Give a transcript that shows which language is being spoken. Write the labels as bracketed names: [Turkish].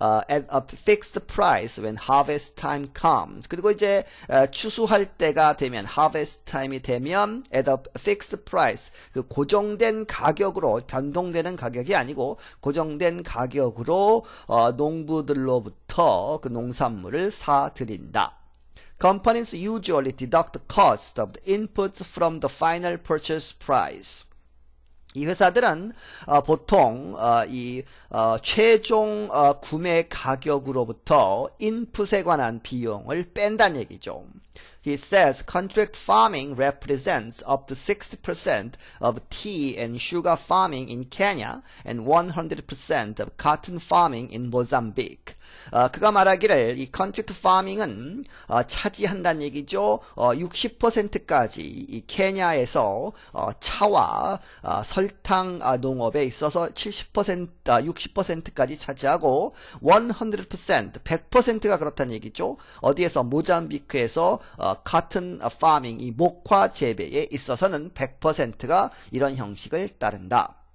[English] at a fixed price when harvest time comes [Korean] 그리고 이제 추수할 때가 되면 harvest time이 되면 [English] at a fixed price [Korean] 그 고정된 가격으로 변동되는 가격이 아니고 고정된 가격으로 농부들로부터 그 농산물을 사들인다. [English] Companies usually deduct the cost of the inputs from the final purchase price. [Korean] 이 회사들은 보통 이 최종 구매 가격으로부터 인풋에 관한 비용을 뺀다는 얘기죠. [English] He says contract farming represents up to 60% of tea and sugar farming in Kenya and 100% of cotton farming in Mozambique. [Korean] 그가 말하기를 이 contract farming은 차지한다는 얘기죠. 60%까지 이 케냐에서 차와 설탕 농업에 있어서 60%까지 차지하고 100%가 그렇다는 얘기죠. 어디에서 모잠비크에서 cotton farming 이 목화 재배에 있어서는 100%가 이런 형식을 따른다.